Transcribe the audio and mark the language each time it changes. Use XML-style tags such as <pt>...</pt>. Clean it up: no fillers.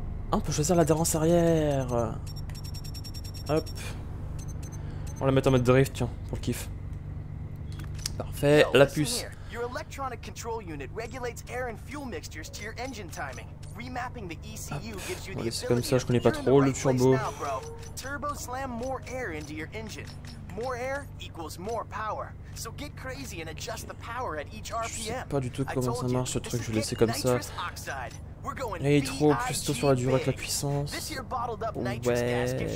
<fr>Ah, on peut choisir l'adhérence arrière. Hop. On va la mettre en mode drift, tiens, pour le kiff. Parfait, la puce.</fr> <en>Your electronic control unit regulates air and fuel mixtures to your engine timing. Remapping the ECU gives you the ability.</en> <fr>C'est comme ça, je connais pas trop le turbo.</fr> <en>Turbo slam more air into your engine. More air equals more power. So get crazy and adjust the power at each RPM.</en> <fr>Je sais pas du tout comment ça marche ce truc, je vais laisser comme ça. Et trop plus tôt sur la durée que la puissance. Ouais.</fr>